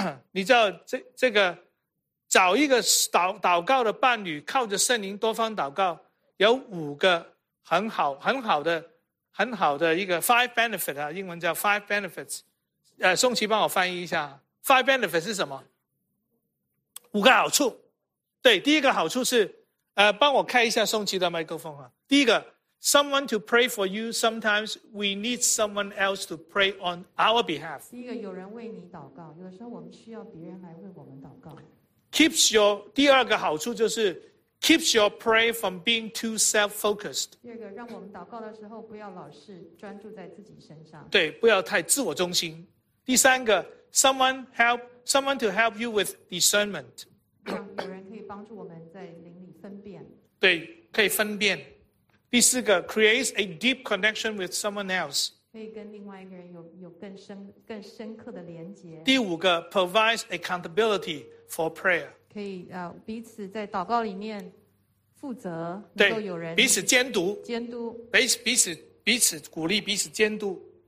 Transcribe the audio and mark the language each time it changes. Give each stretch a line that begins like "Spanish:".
Chinese: 你知道这个找一个祷告的伴侣，靠着圣灵多方祷告，有五个很好的一个 five benefit 啊，英文叫
English: five benefits。
Chinese: 宋琦帮我翻译一下 ，
English: five benefits
Chinese: 是什么？五个好处。对，第一个好处是，帮我开一下宋琦的麦克风啊。
English: 第一个 ，someone to pray for you. Sometimes we need someone else to pray on our behalf.
Chinese: 第一个，有人为你祷告，有的时候我们需要别人来为我们祷告。
English: Keeps your
Chinese: 第二个好处就是
English: keeps your prayer from being too self-focused.
Chinese: 第二个，让我们祷告的时候不要老是专注在自己身上。对，不要太自我中心。第三个
English: someone to help you with discernment.
Chinese: 让有人可以帮助我们在灵里分辨。对，可以分辨。
English: 第四个 creates a deep connection with someone else.
Chinese: 可以跟另外一个人有更深刻的连结。
English: 第五个 provides accountability. For prayer,
Chinese: 可以彼此在祷告里面负责，对，能够有人彼此监督，监督彼此鼓励，彼此监督。